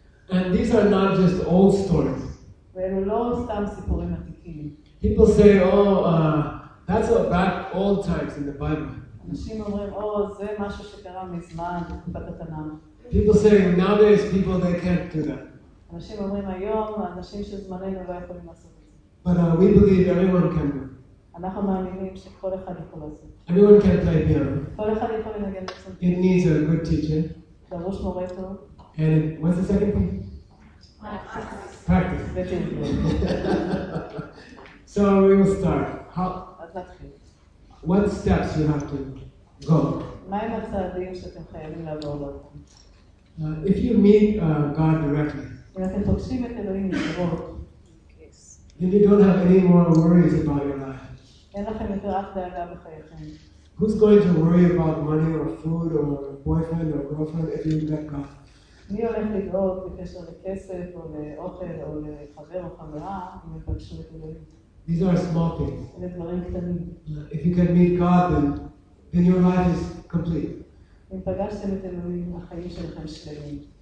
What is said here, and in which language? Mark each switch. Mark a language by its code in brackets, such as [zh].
[en] And these are not just old stories. [he] ואלו לא סתם סיפורים עתיקים. [en] People say, oh, that's about old times in the Bible. [he] אנשים אומרים, oh, זה משהו שקרה מזמן בתקופת התנ"ך. [en] People say, nowadays people, they can't do that. [he] אנשים אומרים, היום אנשים של זמננו לא יכולים לעשות את זה. [en] But we believe everyone can do. [he] אנחנו מאמינים שכל אחד יכול לעשות. [en] Everyone can play piano. [he] כל אחד יכול לנגן בסנטר. [en] It needs a good teacher. [he] דרוש מורה טוב. [en] And what's the second thing? Practice. So we will start. How? what steps you have to go. [he] מהם הצעדים שאתם חייבים לעבור לעולם? [en] If you meet God directly, [he] ואתם פוגשים את אלוהים ישירות, [en] then you don't have any more worries about your life. [he] אין לכם יותר אף דאגה בחייכם. [en] Who's going to worry about money or food or boyfriend or girlfriend if you met God? [he] מי הולך לדאוג בקשר לכסף או לאוכל או לחבר או חברה אם יפגשו את אלוהים? [en] These are small things. [he] אלה דברים קטנים. [en] If you can meet God, then your life is complete. [he] אם פגשתם את אלוהים, החיים שלכם שלמים.